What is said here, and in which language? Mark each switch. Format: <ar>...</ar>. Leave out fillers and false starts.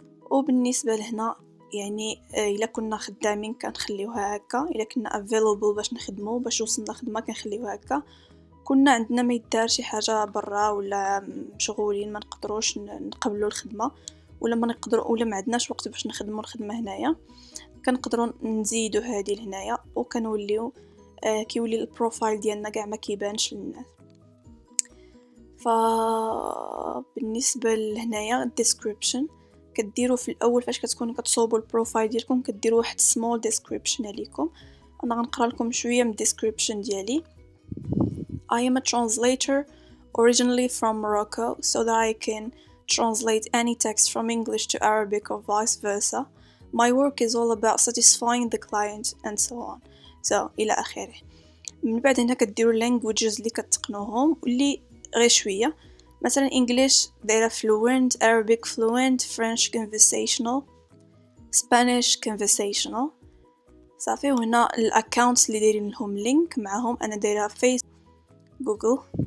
<ar>وبالنسبه لهنا يعني الا كنا خدامين كنخليوها هكا، الا كنا افيلابل باش نخدمو باش وصلنا خدمه كنخليوها هكا، كنا عندنا ما يدار شي حاجه برا ولا مشغولين ما نقدروش نقبلوا الخدمه ولا ما نقدروا ولا ما عندناش وقت باش نخدمو الخدمه هنايا، كنقدروا نزيدوا هذه لهنايا وكنوليو كيولي البروفايل ديالنا كاع ما كيبانش للناس. فبالنسبه لهنايا الديسكريبشن كديروا في الاول فاش كتكونوا كتصوبوا البروفايل ديالكم، كديروا واحد سمول ديسكريبشن عليكم. انا غنقرا لكم شويه من الديسكريبشن ديالي.</ar> <en>I am a translator originally from Morocco so that I can translate any text from English to Arabic or vice versa. My work is all about satisfying the client and so on.</en> <ar>الى اخره. من بعد هنا كديروا لانجويجز اللي كتقنوهم واللي غير شويه، مثلا انجليش دايره فلوينت، عربيك فلوينت، فرنش كونفرسيشنال، سبانيش كونفرسيشنال. صافي. وهنا الاكونتس اللي دايرين لهم لينك معهم، انا دايره فيس جوجل.</ar>